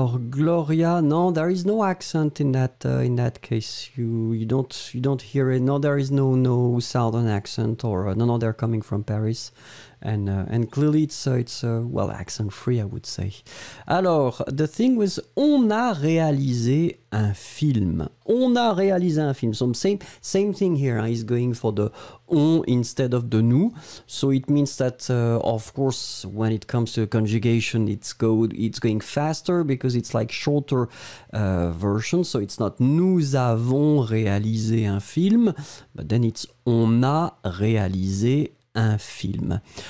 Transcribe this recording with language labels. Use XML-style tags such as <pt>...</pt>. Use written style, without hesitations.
<en>Gloria. No, there is no accent in that case. You don't hear it. No, there is no southern accent or no. They're coming from Paris, and clearly it's accent free, I would say.</en> <fr>Alors,</fr> <en>the thing was,</en> <fr>on a réalisé un film. On a réalisé un film.</fr> <en>So same thing here. He's going for the on instead of the nous. So it means that of course when it comes to conjugation, it's going faster because it's like shorter version. So it's not</en> <fr>nous avons réalisé un film,</fr> <en>but then it's</en> <fr>on a réalisé un film.</fr>